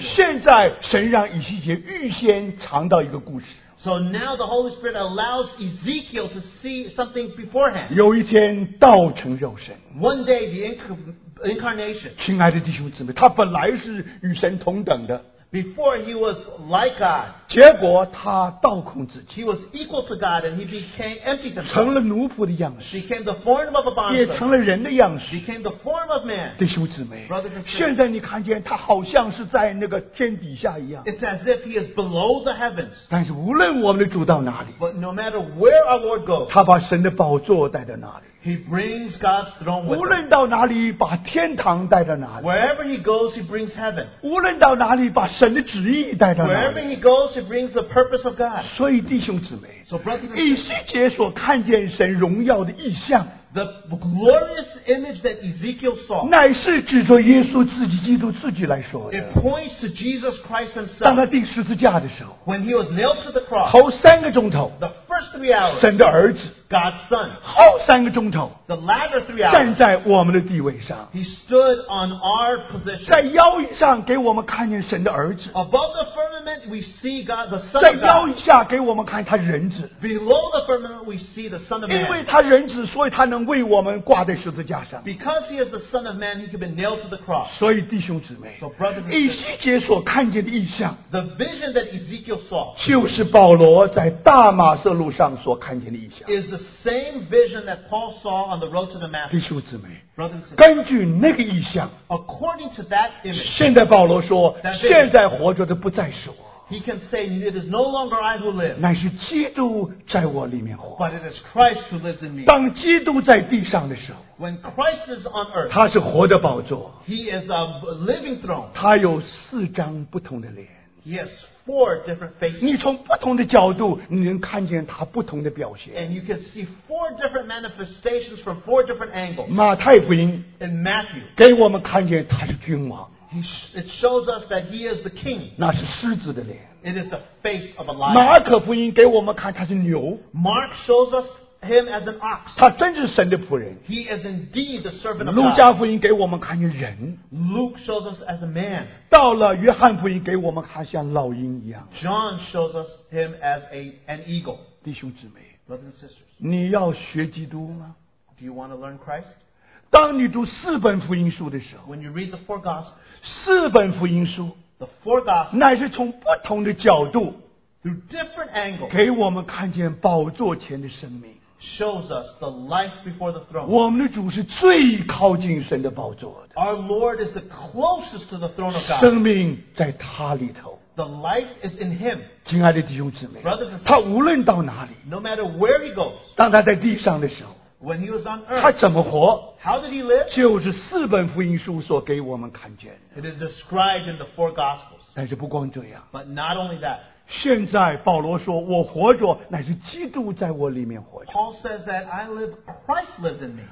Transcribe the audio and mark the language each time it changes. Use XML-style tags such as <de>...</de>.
<zh>现在神让以西结预先尝到一个故事。</zh> <en>So now the Holy Spirit allows Ezekiel to see something beforehand.</en> <zh>有一天道成肉身,</zh> <en>one day the incarnation.</en> <zh>亲爱的弟兄姊妹, 他本来是与神同等的。</zh> <en>Before he was like God,</en> <zh>结果他倒空自己,</zh> <en>he was equal to God and he became empty himself,</en> <zh>成了奴仆的样式,</zh> <en>became the form of a bondservant,</en> <zh>也成了人的样式,</zh> <en>became the form of man.</en> <zh>弟兄姊妹,</zh> <en>brothers and sisters,</en> <zh>现在你看见他好像是在那个天底下一样,</zh> <en>it's as if he is below the heavens.</en> <zh>但是无论我们的主到哪里,</zh> <en>but no matter where our Lord goes,</en> <zh>他把神的宝座带到哪里,</zh> <en>he brings God's throne with him.</en> <zh>无论到哪里把天堂带到哪里,</zh> <en>wherever he goes, he brings heaven.</en> <zh>无论到哪里把</zh> <en>Wherever he goes, he brings the purpose of God.</en> <zh>所以弟兄姊妹,</zh> <en>so, brothers,</en> <zh>以西结所看见神荣耀的意象,</zh> <en>the glorious image that Ezekiel saw,</en> <zh>乃是指着耶稣自己, 基督自己来说的,</zh> <en>it points to Jesus Christ himself.</en> <zh>当他钉十字架的时候,</zh> <en>when he was nailed to the cross,</en> <zh>头三个钟头,</zh> <en>the first 3 hours,</en> <zh>神的儿子,</zh> <en>God's son,</en> <zh>后三个钟头,</zh> <en>the latter 3 hours,</en> <zh>站在我们的地位上,</zh> <en>he stood on our position.</en> <zh>在腰以上给我们看见神的儿子,</zh> <en>above the firmament, we see God, the Son of God.</en> <zh>在腰以下给我们看他人子,</zh> <en>below the firmament, we see the Son of Man.</en> <zh>因为他人子, 所以他能为我们挂在十字架上,</zh> <en>because he is the Son of Man, he could be nailed to the cross.</en> <zh>所以弟兄姊妹,</zh> <en>so brothers and sisters,</en> <zh>以西结所看见的意象,</zh> <en>the vision that Ezekiel saw,</en> <zh>就是保罗在大马色路上所看见的意象,</zh> <en>is the same vision that Paul saw on the road to Damascus.</en> <zh>弟兄姊妹,</zh> <en>brothers and sisters,</en> <zh>根据那个意象,</zh> <en>according to that image,</en> <zh>现在保罗说,</zh> <en>that vision,</en> <zh>现在活着的不再是我,</zh> <en>he can say, it is no longer I who live,</en> <zh>乃是基督在我里面活,</zh> <en>but it is Christ who lives in me.</en> <zh>当基督在地上的时候,</zh> <en>when Christ is on earth,</en> <zh>他是活的宝座,</zh> <en>he is a living throne.</en> <zh>他有四张不同的脸,</zh> <en>yes, four different faces.</en> <zh>你从不同的角度, 你能看见他不同的表现,</zh> <en>and you can see four different manifestations from four different angles.</en> <zh>马太福音,</zh> <en>in Matthew,</en> <zh>给我们看见他是君王,</zh> <en>it shows us that he is the king.</en> <zh>那是狮子的脸,</zh> <en>it is the face of a lion.</en> <zh>马可福音给我们看他是牛,</zh> <en>Mark shows us him as an ox.</en> <zh>他真是神的仆人,</zh> <en>he is indeed the servant of God.</en> <zh>路加福音给我们看见人,</zh> <en>Luke shows us as a man.</en> <zh>到了约翰福音给我们看像老鹰一样,</zh> <en>John shows us him as an eagle.</en> <zh>弟兄姊妹,</zh> <en>brothers and sisters,</en> <zh>你要学基督吗?</zh> <en>Do you want to learn Christ?</en> <zh>当你读四本福音书的时候,</zh> <en>when you read the four gospels,</en> <zh>四本福音书,</zh> <en>the four gospels,</en> <zh>乃是从不同的角度,</zh> <en>through different angles,</en> <zh>给我们看见宝座前的生命,</zh> <en>shows us the life before the throne.</en> <zh>我们的主是最靠近神的宝座的,</zh> <en>our Lord is the closest to the throne of God.</en> <zh>生命在他里头,</zh> <en>the life is in him.</en> <zh>亲爱的弟兄姊妹,</zh> <en>brothers and sisters,</en> <zh>他无论到哪里,</zh> <en>no matter where he goes,</en> <zh>当他在地上的时候,</zh> <en>when he was on earth,</en> <zh>他怎么活,</zh> <en>how did he live?</en> <zh>就是四本福音书所给我们看见的,</zh> <en>it is described in the four gospels.</en> <zh>但是不光这样,</zh> <en>but not only that,</en> <zh>现在保罗说, 我活着, 乃是基督在我里面活着,</zh> <en>Paul says that I live, Christ lives in me.</en>